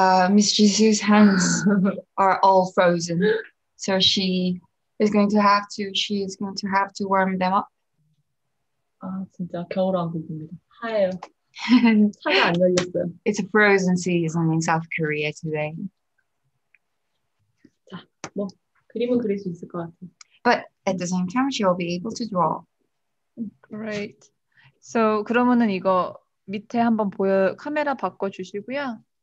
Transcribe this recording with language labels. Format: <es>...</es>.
<en>Miss Jisoo's hands are all frozen, so she is going to have to warm them up.</en> <ko>아, 진짜 겨울왕국입니다. 하얘요. 차가 안</ko> <en>It's</en> <ko>열렸어요.</ko> <en>a frozen season in South Korea today.</en> <ko>자, 뭐 그림은 그릴 수 있을 것 같아요.</ko> <en>But at the same time, she will be able to draw. Great.</en> <ko>So 그러면은 이거 밑에 한번 보여 카메라 바꿔 주시고요.</ko>